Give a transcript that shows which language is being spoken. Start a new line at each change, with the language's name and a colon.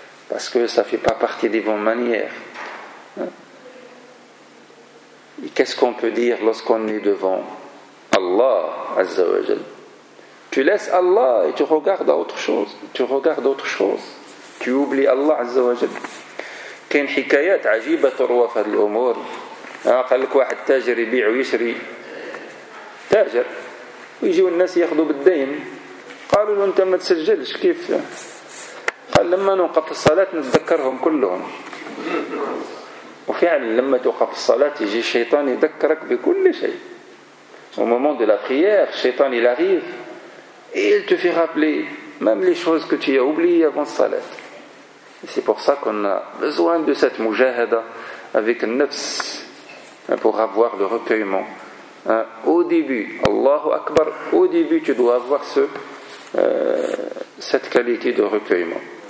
French: Parce que ça ne fait pas partie des bonnes manières. Et qu'est-ce qu'on peut dire lorsqu'on est devant Allah Azza wa Jal? Tu laisses Allah et tu regardes à autre chose. Tu regardes autre chose. Tu oublies Allah Azza wa Jal.
Arabic: كاين حكايات عجيبة تروى في هذه الأمور. قال لك واحد تاجر يبيع ويشري، تاجر، ويجيو الناس ياخذوا بالدين. قالوا له أنت ما تسجلش، كيف؟ قال لما نوقف الصلاة نتذكرهم كلهم. وفعلا لما توقف الصلاة يجي الشيطان يذكرك بكل شيء.
French: Au moment de la prière, الشيطان il arrive et il te fait rappeler même les choses que tu as oubliées avant la salat. C'est pour ça qu'on a besoin de cette mujahada avec nafs pour avoir le recueillement. Au début, Allahu Akbar, au début tu dois avoir cette qualité de recueillement.